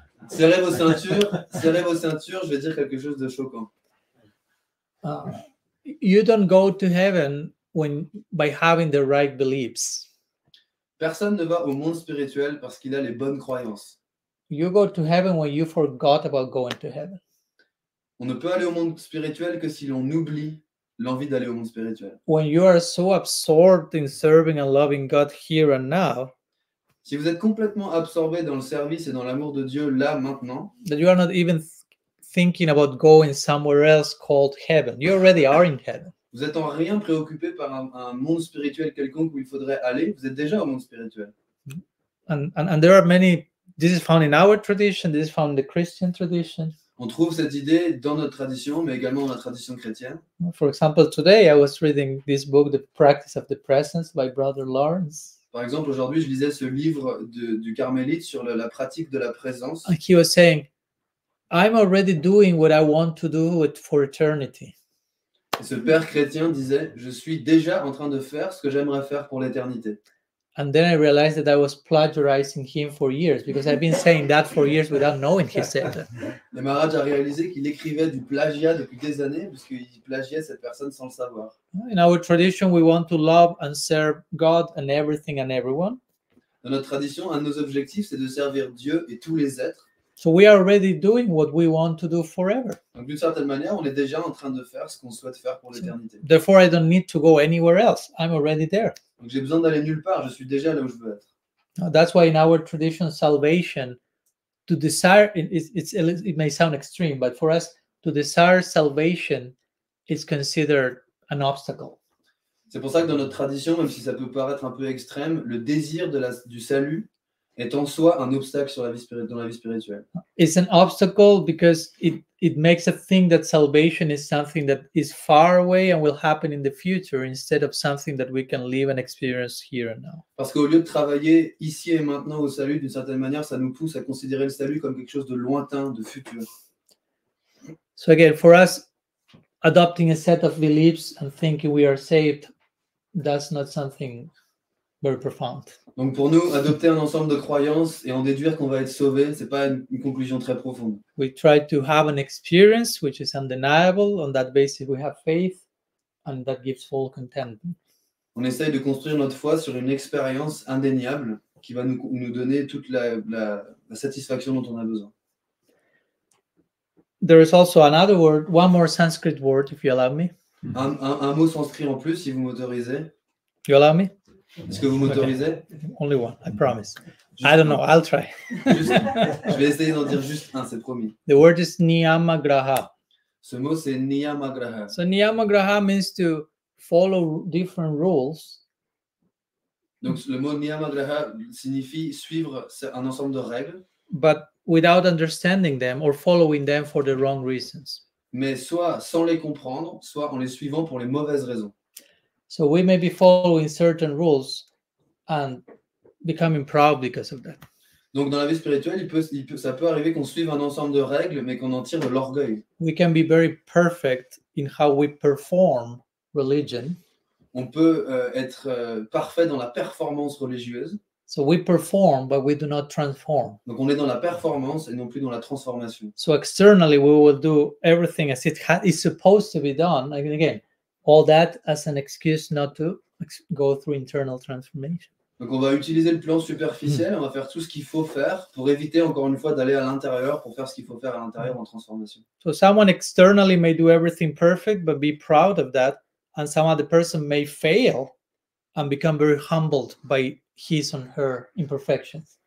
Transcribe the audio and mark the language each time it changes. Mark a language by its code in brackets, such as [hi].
[fr] Serrez vos ceintures, je vais dire quelque chose de choquant. [en] You don't go to heaven by having the right beliefs. [fr] Personne ne va au monde spirituel parce qu'il a les bonnes croyances. [en] You go to heaven when you forgot about going to heaven. [fr] On ne peut aller au monde spirituel que si l'on oublie l'envie d'aller au monde spirituel. [en] When you are so absorbed in serving and loving God here and now, [fr] si vous êtes complètement absorbé dans le service et dans l'amour de Dieu là maintenant, [en] that you are not even thinking about going somewhere else called heaven. You already are in heaven. [fr] Vous êtes en rien préoccupé par un monde spirituel quelconque où il faudrait aller. Vous êtes déjà au monde spirituel. [en] And there are many. This is found in our tradition. This is found in the Christian tradition. [fr] On trouve cette idée dans notre tradition, mais également dans la tradition chrétienne. [en] For example, today I was reading this book, The Practice of the Presence, by Brother Lawrence. [fr] Par exemple, aujourd'hui, je lisais ce livre du Carmélite sur la pratique de la présence. [en] And he was saying, I'm already doing what I want to do for eternity. [fr] Et ce père chrétien disait, je suis déjà en train de faire ce que j'aimerais faire pour l'éternité. [en] And then I realized that I was plagiarizing him for years because I've been saying that for years without knowing he said that. [fr] Et Maharaj a réalisé qu'il écrivait du plagiat depuis des années parce qu'il plagiait cette personne sans le savoir. [en] In our tradition, we want to love and serve God and everything and everyone. [fr] Dans notre tradition, un de nos objectifs, c'est de servir Dieu et tous les êtres. [en] So we are already doing what we want to do forever. [fr] Donc, d'une certaine manière, on est déjà en train de faire ce qu'on souhaite faire pour l'éternité. [en] Therefore, I don't need to go anywhere else. I'm already there. [fr] Donc, j'ai besoin d'aller nulle part. Je suis déjà là où je veux être. [en] That's why in our tradition, salvation, to desire, it may sound extreme, but for us, to desire salvation is considered an obstacle. [fr] C'est pour ça que dans notre tradition, même si ça peut paraître un peu extrême, le désir du salut est en soi un obstacle sur la vie spirituelle, dans la vie spirituelle. [en] It's an obstacle because it makes us think that salvation is something that is far away and will happen in the future instead of something that we can live and experience here and now. [fr] Parce qu'au lieu de travailler ici et maintenant au salut, d'une certaine manière, ça nous pousse à considérer le salut comme quelque chose de lointain, de futur. [en] So again, for us, adopting a set of beliefs and thinking we are saved, that's not something very profound. [fr] Donc pour nous, adopter un ensemble de croyances et en déduire qu'on va être sauvé, c'est pas une conclusion très profonde. [en] We try to have an experience which is undeniable. On that basis, we have faith, and that gives full contentment. [fr] On essaye de construire notre foi sur une expérience indéniable qui va nous donner toute la satisfaction dont on a besoin. [en] There is also another word, one more Sanskrit word, if you allow me. [fr] Un mot sanskrit en plus, si vous m'autorisez. [en] You allow me? [fr] Est-ce que vous m'autorisez? [en] Okay. Only one, I promise. Juste I don't un. Know, I'll try. [fr] Je vais essayer d'en dire juste un, c'est promis. [en] The word is niyamagraha. [fr] Ce mot, c'est niyamagraha. [en] So niyamagraha means to follow different rules. [fr] Donc le mot niyamagraha signifie suivre un ensemble de règles. [en] But without understanding them or following them for the wrong reasons. [fr] Mais soit sans les comprendre, soit en les suivant pour les mauvaises raisons. [en] So we may be following certain rules and becoming proud because of that. [fr] Donc dans la vie spirituelle, ça peut arriver qu'on suive un ensemble de règles, mais qu'on en tire de l'orgueil. [en] We can be very perfect in how we perform religion. [fr] On peut être parfait dans la performance religieuse. [en] So we perform, but we do not transform. [fr] Donc on est dans la performance et non plus dans la transformation. [en] So externally, we will do everything as it is supposed to be done. And again, all that as an excuse not to go through internal transformation. [fr] Donc on va utiliser le plan superficiel, on va faire tout ce qu'il faut faire pour éviter encore une fois d'aller à l'intérieur pour faire ce qu'il faut faire à l'intérieur en transformation. [en] So someone externally may do everything perfect, but be proud of that. And some other person may fail and become very humbled by his or her imperfections.